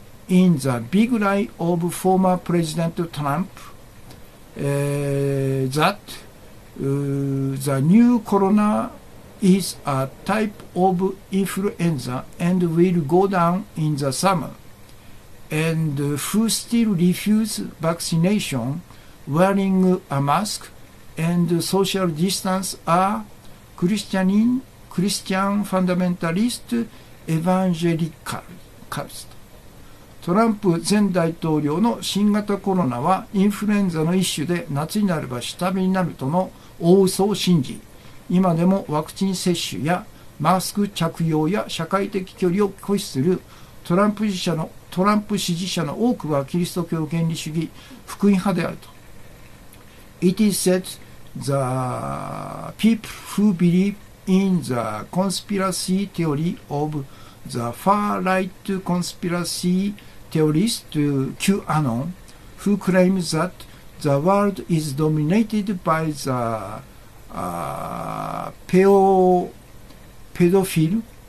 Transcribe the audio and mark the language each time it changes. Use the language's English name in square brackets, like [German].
[English] in the big lie of former President Trump、that、the new corona is a type of influenza and will go down in the summer, and who still refuse vaccination wearing a mask and social distance are Christian fundamentalist evangelicalist。 [Japanese] トランプ前大統領の新型コロナはインフルエンザの一種で夏になれば下火になるとの大嘘を信じ、今でもワクチン接種やマスク着用や社会的距離を拒否するトランプ支持者の多くはキリスト教原理主義福音派であると。 [English] It is said the people who believe in the conspiracy theory of the far-right conspiracy theorist QAnon who claims that the world is dominated by thePedophile